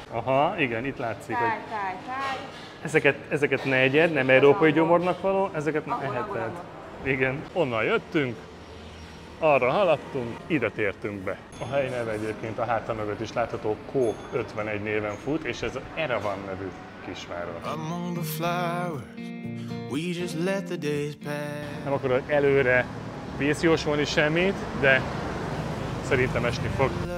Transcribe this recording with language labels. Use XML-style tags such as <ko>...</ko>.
<hu>Aha, igen, itt látszik, hogy ezeket ne egyed, nem európai gyomornak való, ezeket ne eheted. Igen, onnan jöttünk, arra haladtunk, ide tértünk be. A hely neve egyébként a hátam mögött is látható Kók 51 néven fut, és ez Erevan nevű kisváros.</hu> <en>Among the flowers, we just let the days pass.</en> <hu>Nem akarod előre vészjósolni semmit, de szerintem esni fog.</hu>